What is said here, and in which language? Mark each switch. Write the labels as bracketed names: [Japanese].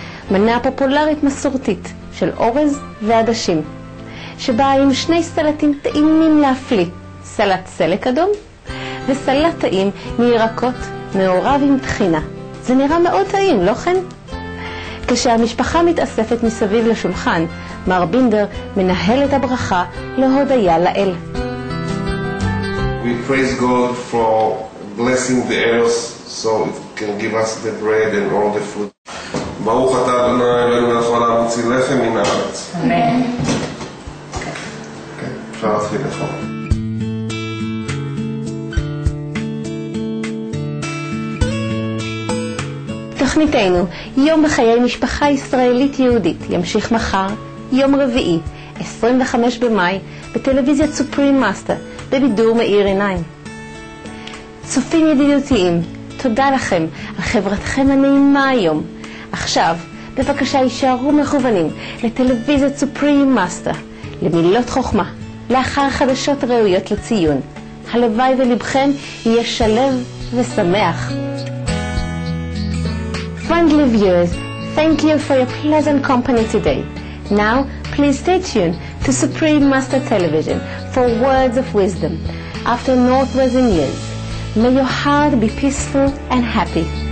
[Hebrew] מנה פופולרית מסורתית של אורז ועדשים, שבאה עם שני סלטים טעימים להפליא, סלט סלק אדום וסלט טעים מירקות מעורב עם טחינה. זה נראה מאוד טעים, לא כן? כשהמשפחה מתאספת מסביב לשולחן, מר בינדר מנהל את הברכה להודיה לאל. [English] We praise God for blessing the earth so it can give us the bread and all the food. [Hebrew] ברוך אתה אדוני אלוהינו מלך העולם המציא לחם מן הארץ. אמן. אפשר להתחיל לאכול. תוכניתנו, יום בחיי משפחה ישראלית יהודית, ימשיך מחר, יום רביעי, 25 במאי, בטלוויזיה סופרים מאסטר, בבידור מאיר עיניים. צופים ידידותיים, תודה לכם על חברתכם הנעימה היום. עכשיו, בבקשה יישארו מכוונים לטלוויזיית סופרים מאסטר, למילות חוכמה, לאחר חדשות ראויות לציון. הלוואי ולבכם יהיה שלב ושמח. [English] Friendly viewers, thank you for your pleasant company today. Now, please stay tuned to Supreme Master Television for words of wisdom after Northwestern years. May your heart be peaceful and happy.